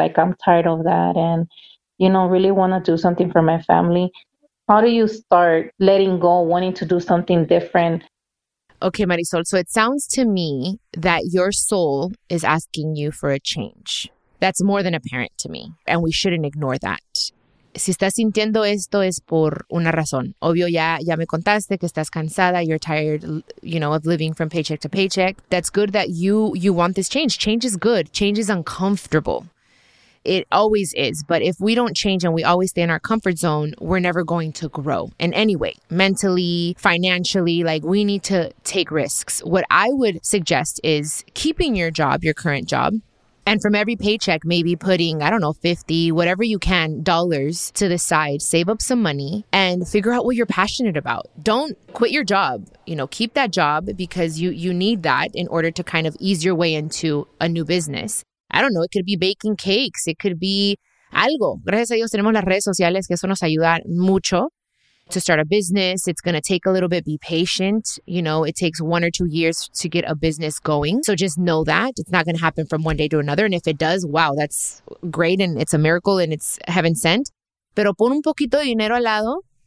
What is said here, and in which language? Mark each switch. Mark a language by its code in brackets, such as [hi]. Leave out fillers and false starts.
[en] Like, I'm tired of that, and, you know, really want to do something for my family. How do you start letting go, wanting to do something different? Okay, Marisol, so it sounds to me that your soul is asking you for a change. That's more than apparent to me, and we shouldn't ignore that. [es] Si estás sintiendo esto es por una razón. Obvio, ya me contaste que estás cansada. [en] You're tired, you know, of living from paycheck to paycheck. That's good that you want this change. Change is good. Change is uncomfortable. It always is. But if we don't change and we always stay in our comfort zone, we're never going to grow. And anyway, mentally, financially, like we need to take risks. What I would suggest is keeping your job, your current job, and from every paycheck, maybe putting, I don't know, 50, whatever you can, dollars to the side, save up some money and figure out what you're passionate about. Don't quit your job. You know, keep that job because you need that in order to kind of ease your way into a new business. I don't know. It could be baking cakes. It could be algo. [es] Gracias a Dios tenemos las redes sociales que eso nos ayuda mucho [en] to start a business. It's going to take a little bit. Be patient. You know, it takes 1 or 2 years to get a business going. So just know that it's not going to happen from one day to another. And if it does, wow, that's great. And it's a miracle and it's heaven sent. [es] Pero pon un poquito de dinero al lado.